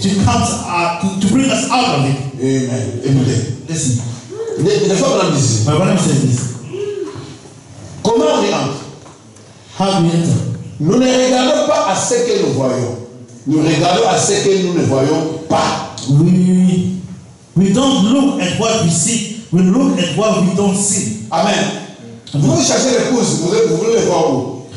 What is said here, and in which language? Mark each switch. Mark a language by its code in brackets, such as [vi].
[en] to come to bring us out of it. [fr] Amen. Écoutez, [en] listen. [fr] Le frère Branham dit, [en] my brother says this. [fr] Comment on y entre? [en] How do we enter? [fr] Nous ne regardons pas à ce que nous voyons. Nous regardons à ce que nous ne voyons pas. [en] We don't look at what we see. We look at what we don't see. [fr] Amen. Amen. Vous cherchez l'épouse, vous voulez le voir où?